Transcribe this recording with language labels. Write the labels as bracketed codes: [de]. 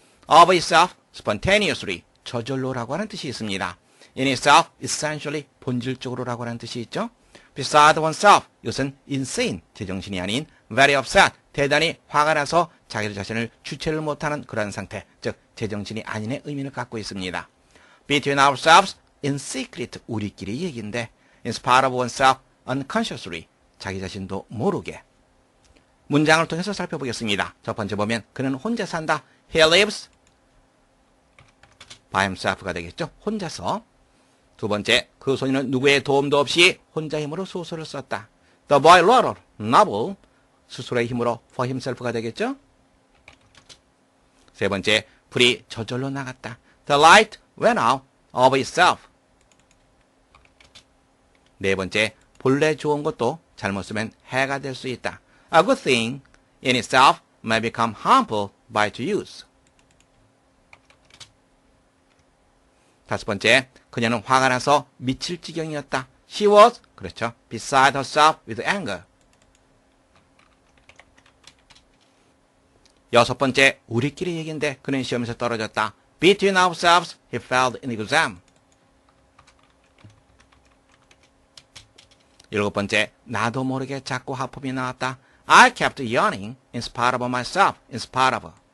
[en] Of itself, spontaneously, [ko] 저절로라고 하는 뜻이 있습니다. [en] In itself, essentially, [ko] 본질적으로라고 하는 뜻이 있죠. [en] Beside oneself, [ko] 이것은 [en] insane, [ko] 제정신이 아닌 [en] very upset, [ko] 대단히 화가 나서 자기 자신을 주체를 못하는 그런 상태, 즉 제정신이 아닌의 의미를 갖고 있습니다. [en] Between ourselves, in secret, [ko] 우리끼리 얘기인데, [en] In spite of oneself, unconsciously, [ko] 자기 자신도 모르게. 문장을 통해서 살펴보겠습니다. 첫 번째 보면 그는 혼자 산다. [en] He lives by himself가 [ko] 되겠죠. 혼자서. 두 번째, 그 소녀는 누구의 도움도 없이 혼자 힘으로 소설을 썼다. [en] The boy wrote a novel [ko] 스스로의 힘으로 [en] for himself가 [ko] 되겠죠. 세 번째, 불이 저절로 나갔다. [en] The light went out of itself. [ko] 네 번째, 본래 좋은 것도 잘못 쓰면 해가 될 수 있다. [en] A good thing in itself may become harmful by its use. [ko] 다섯 번째, 그녀는 화가 나서 미칠 지경이었다. [en] She was, [ko] 그렇죠, [en] beside herself with anger. [ko] 여섯 번째, 우리끼리 얘기인데 그는 시험에서 떨어졌다. [en] Between ourselves, he failed in the exam. [ko] 일곱 번째, 나도 모르게 자꾸 하품이 나왔다. [en] I kept yawning in spite of myself, in spite of.